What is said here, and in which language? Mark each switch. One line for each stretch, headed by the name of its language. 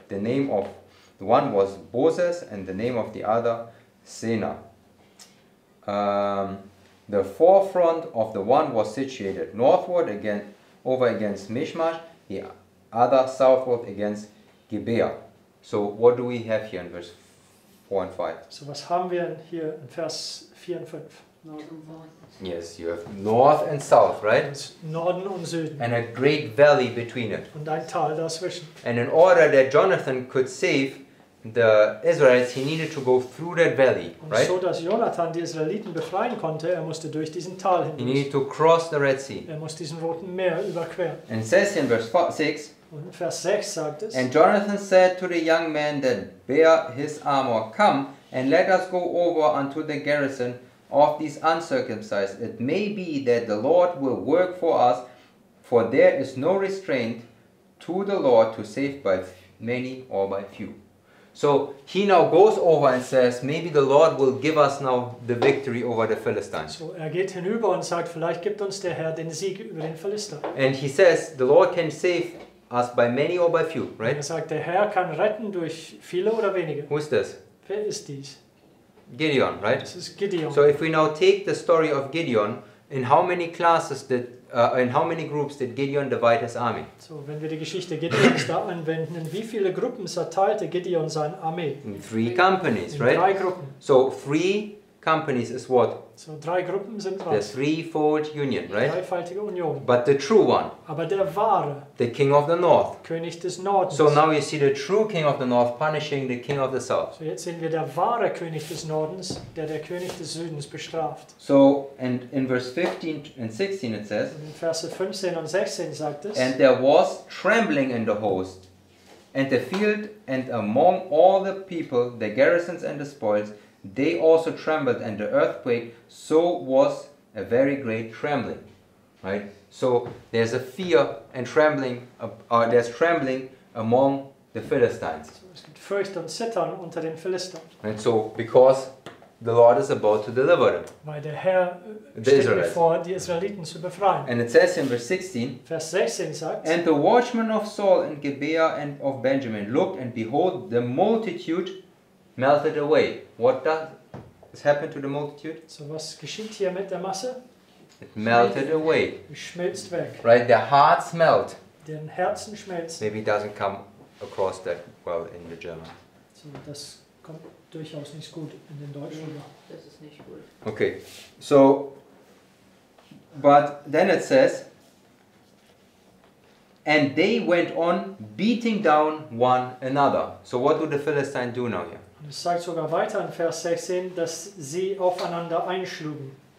English: The name of the one was Bozes, and the name of the other, Sena. The forefront of the one was situated northward again, over against Mishmash, the other southward against Gibeah. So what do we have here in verse 4 and 5?
German: So was haben wir hier in Vers 4 und 5?
English: Yes, you have north and south, right?
German: Norden und Süden.
English: And a great valley between it.
German: Und ein Tal dazwischen.
English: And in order that Jonathan could save the Israelites, he needed to go through that valley, right?
German: Und so, dass Jonathan die Israeliten befreien konnte, er musste durch diesen Tal hindurch.
English: He needed to cross the Red Sea.
German: Er musste diesen Roten Meer überqueren.
English: And it says in verse 6,
German: und Vers 6 sagt es,
English: and Jonathan said to the young man that bear his armor, come and let us go over unto the garrison of these uncircumcised. It may be that the Lord will work for us, for there is no restraint to the Lord to save by many or by few. So he now goes over and says, maybe the Lord will give us now the victory over the Philistines.
German: So er geht hinüber und sagt, vielleicht gibt uns der Herr den Sieg über den Philister.
English: And he says, the Lord can save us by many or by few, right?
German: Er sagt, der Herr kann retten durch viele oder wenige.
English: Who is this?
German: Wer ist dies?
English: Gideon, right? This is Gideon. So if we now take the story of Gideon, in how many classes did in how many groups did Gideon divide his army?
German: So wenn wir die Geschichte Gideons da anwenden, in wie viele Gruppen zerteilte Gideon seine Armee?
English: In three companies, in right?
German: Drei Gruppen.
English: So three companies is what?
German: So drei Gruppen sind was?
English: The threefold union, right?
German: Die dreifaltige Union.
English: But the true one.
German: Aber der wahre.
English: The king of the north.
German: König des Nordens.
English: So now you see the true king of the north punishing the king of the south.
German: So jetzt sehen wir der wahre König des Nordens, der König des Südens bestraft.
English: So and in verse 15 and 16 it says.
German: Und in Verse 15 und 16 sagt es.
English: And there was trembling in the host, and the field, and among all the people, the garrisons and the spoils. They also trembled, and the earthquake, so was a very great trembling, right? So there's a fear and trembling, there's trembling among the Philistines.
German: Fürcht und Zittern unter den Philistern.
English: And so, because the Lord is about to deliver them.
German: Weil der Herr steht bevor, die Israeliten zu befreien.
English: And it says in verse 16,
German: Vers 16 sagt,
English: and the watchmen of Saul and Gibeah and of Benjamin looked, and behold, the multitude melted away. What does has happened to the multitude?
German: So was geschieht hier mit der Masse?
English: It melted away.
German: Schmilzt weg.
English: Right, their hearts melt.
German: Den Herzen schmelzen.
English: Maybe it doesn't come across that well in the German.
German: So das kommt durchaus nicht gut in den Deutschen. Das ist nicht gut.
English: Okay, so, but then it says, and they went on beating down one another. So what do the Philistines do now here?
German: Es sagt sogar weiter in Vers 16, dass sie aufeinander einschlugen.